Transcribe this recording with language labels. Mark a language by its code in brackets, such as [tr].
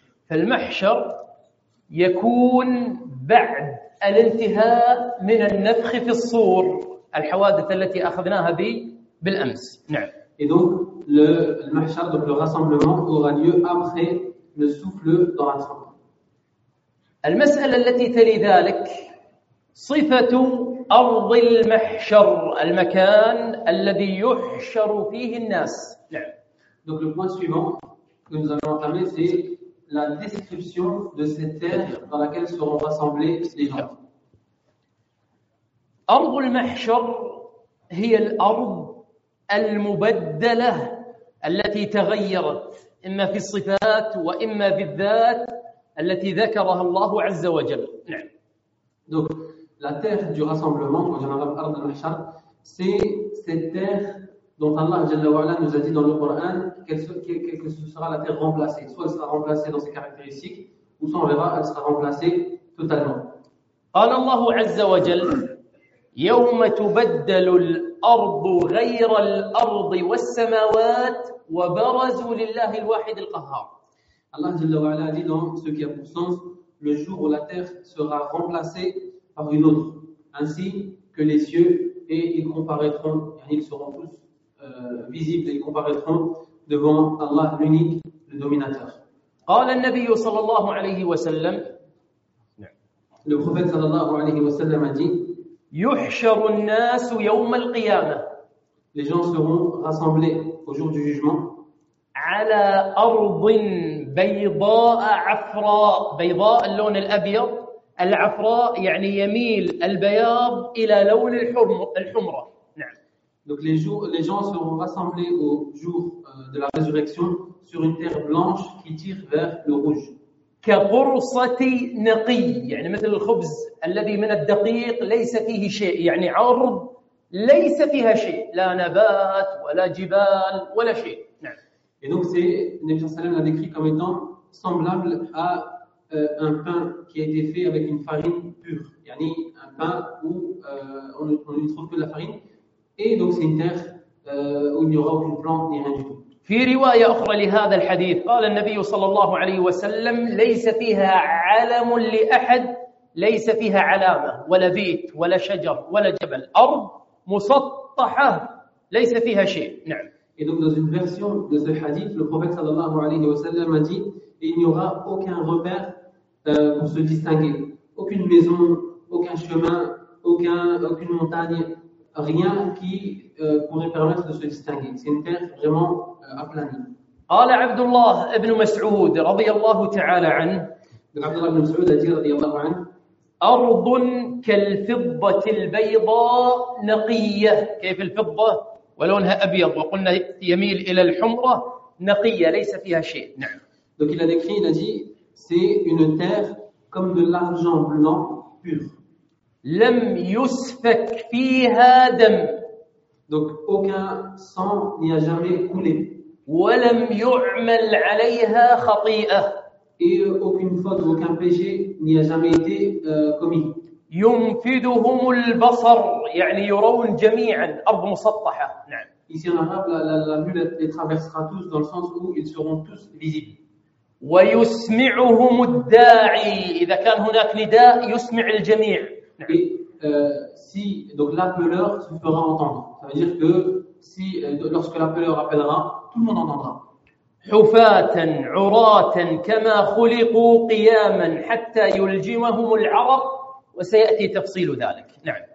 [ar] فالمحشر يكون بعد الانتهاء من النفخ في الصور الحوادث التي أخذناها بالأمس. نعم. [fr] Et donc le mahshar, donc le rassemblement aura lieu après le souffle dans la trompe. [ar] المسألة التي تلي ذلك صفة أرض المحشر المكان الذي يحشر فيه الناس. نعم. [fr] Donc le point suivant que nous allons entamer, c'est la description de cette terre dans laquelle seront rassemblés les gens. [ar] أرض المحشر هي الأرض المبدلة التي تغيرت إما في الصفات وإما بالذات التي ذكرها الله عز وجل. نعم. [fr] Donc la terre du rassemblement, en arabe [ar] أرض المحشر, [fr] c'est cette terre dont Allah Jalla wa'ala nous a dit dans le Coran que ce sera la terre remplacée. Soit elle sera remplacée dans ses caractéristiques, ou soit on verra qu'elle sera remplacée totalement. [ar] قال الله عز وجل يوم تبدل الأرض غير الأرض والسماوات وبرزوا لله الواحد القهار. [fr] Allah Jalla wa'ala a dit dans ce qui a pour sens le jour où la terre sera remplacée par une autre, ainsi que les cieux, et ils comparaîtront, et ils seront tous visibles et comparaîtront devant Allah l'unique, le dominateur. [ar] قال النبي صلى الله عليه وسلم. [fr] Le prophète [ar] صلى الله عليه وسلم [fr] a dit [ar] يحشر الناس يوم القيامة. [fr] Les gens seront rassemblés au jour du jugement. [ar] على أرض بيضاء عفراء. بيضاء اللون الأبيض. العفراء يعني يميل البياض إلى لون الحمرة. [fr] Donc les gens seront rassemblés au jour de la résurrection sur une terre blanche qui tire vers le rouge. [ar] كقرصة نقي يعني مثل الخبز الذي من الدقيق ليس فيه شيء يعني عرض ليس فيها شيء لا نبات ولا جبال ولا شيء. نعم. [fr] Et donc c'est Nabi Sallam l'a décrit comme étant semblable à un pain qui a été fait avec une farine pure, يعني un pain où on ne trouve que la farine. Et donc c'est une terre où il n'y aura aucune plante ni rien du tout. [ar] في رواية أخرى لهذا الحديث قال النبي صلى الله عليه وسلم ليس فيها علم لأحد ليس فيها علامة ولا بيت ولا شجر ولا جبل أرض مسطحة ليس فيها شيء. نعم. [fr] Et donc dans une version de ce hadith le prophète [ar] صلى الله عليه وسلم [fr] a dit il n'y aura aucun repère pour se distinguer, aucune maison, aucun chemin, aucune montagne, rien qui pourrait permettre de se distinguer. C'est une terre vraiment aplanie. [ar] قال عبد الله ابن مسعود رضي الله تعالى عنه. عبد الله بن مسعود رضي الله عنه. أرض كالفضة البيضاء نقية. كيف الفضة ولونها أبيض وقلنا يميل إلى الحمرة نقية ليس فيها شيء. نعم. [fr] Donc il a décrit, il a dit, c'est une terre comme de l'argent blanc pur. [ar] لم يسفك فيها دم. [fr] Donc aucun sang n'y a jamais coulé. [ar] ولم يعمل عليها خطيئة. [fr] Et aucune faute, aucun péché n'y a jamais été commis. [ar] ينفذهم البصر يعني يرون جميعا أرض مسطحة. نعم. [fr] Ici en arabe la vue les traversera tous dans le sens où ils seront tous visibles. [ar] ويسمعهم الداعي إذا كان هناك نداء يسمع الجميع. [fr] Et si donc l'appeleur se fera entendre, ça veut dire que si lorsque l'appeleur appellera, tout le monde entendra. [ar] حفاتاً عراتاً كما خلقوا قياماً حتى يلجمهم العرق وسيأتي تفصيل ذلك. نعم.